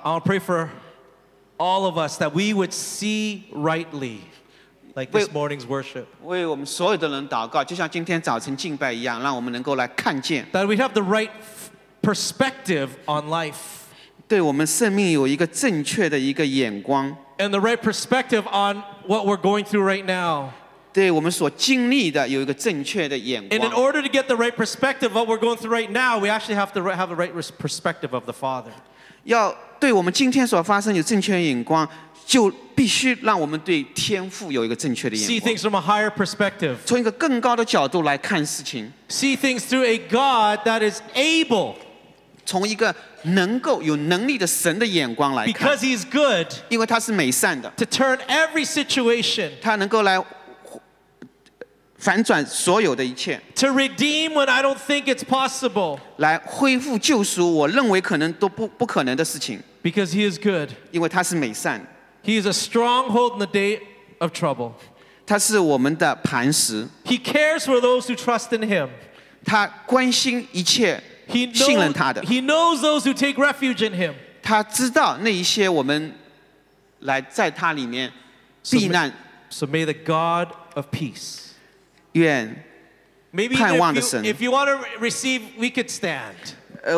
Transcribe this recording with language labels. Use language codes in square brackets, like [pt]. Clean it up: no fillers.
[en] I want to pray for all of us that we would see rightly. Like this morning's worship. [zh] 为我们所有的人祷告，就像今天早晨敬拜一样，让我们能够来看见。 [en] That we have the right perspective on life. [zh] 对我们生命有一个正确的一个眼光。 [en] And the right perspective on what we're going through right now. [zh] 对我们所经历的有一个正确的眼光。 [en] And in order to get the right perspective of what we're going through right now, we actually have to have the right perspective of the Father. [zh] 要对我们今天所发生有正确的眼光。就必须让我们对天父有一个正确的眼光。 [en] See things from a higher perspective. [zh] 从一个更高的角度来看事情。 [en] See things through a God that is able. [zh] 从一个能够有能力的神的眼光来看。 [en] Because he's good. [zh] 因为他是美善的。 [en] To turn every situation. [zh] 他能够来反转所有的一切。 [en] To redeem what I don't think it's possible. [zh] 来恢复救赎我认为可能都不可能的事情。 [en] Because he is good. [zh] 因为他是美善。 [en] He is a stronghold in the day of trouble. [zh] 他是我们的磐石。 [en] He cares for those who trust in him. [zh] 他关心一切信任他的。 [en] He knows those who take refuge in him. [zh] 他知道那一些我们来在他里面避难。 [en] So may the God of peace. [zh] 愿盼望的神。 [en] Maybe if you want to receive, we could stand.